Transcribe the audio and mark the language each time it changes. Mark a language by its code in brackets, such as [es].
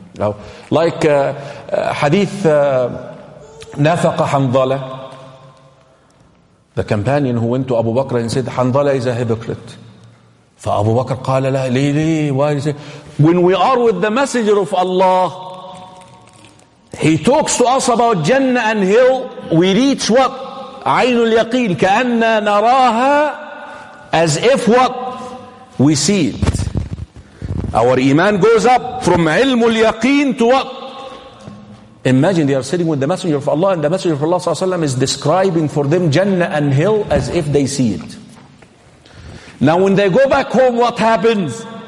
[en] Now, like hadith Nafaqa Hanzala, the companion who went to Abu Bakr and said, Hanzala is a hypocrite. [ar] فأبو بكر قال له ليه [en] why he said, when we are with the messenger of Allah, he talks to us about Jannah and Hill, we reach what? [ar] عين اليقين كأننا نراها [en] as if what? We see it. Our iman goes up from ilm al-yaqeen to what? Imagine they are sitting with the Messenger of Allah, and the Messenger of Allah ﷺ is describing for them Jannah and Hill as if they see it. Now when they go back home, what happens?